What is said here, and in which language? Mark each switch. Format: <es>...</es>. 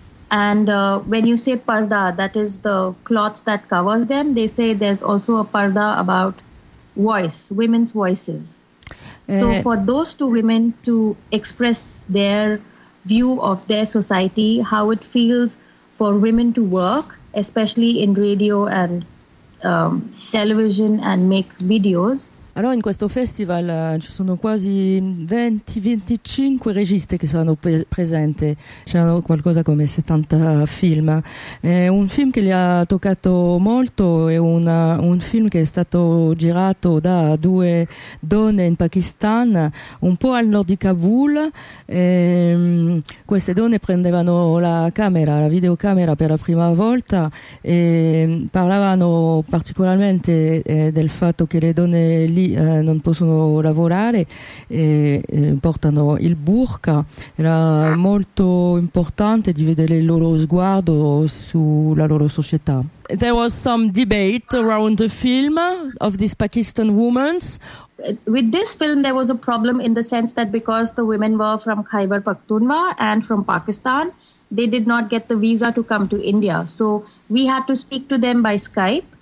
<en>And when you say parda, that is the cloth that covers them, they say there's also a parda about voice, women's voices. So for those two women to express their view of their society, how it feels for women to work, especially in radio and television and make videos,</en> <it>Allora, in questo festival ci sono quasi 20-25 registi che sono presenti, c'erano qualcosa come 70 film. Un film che li ha toccato molto è un film che è stato girato da due donne in Pakistan, un po' al nord di Kabul. Queste donne prendevano la camera, la videocamera per la prima volta e parlavano particolarmente del fatto che le donne lì non possono lavorare e portano il burqa. Era molto importante di vedere il loro sguardo sulla loro società.</it> <en>There was some debate around the film of these Pakistan women. With this film there was a problem in the sense that because the women were from Khyber Pakhtunkhwa and from Pakistan, they did not get the visa to come to India. So we had to speak to them by Skype.</en>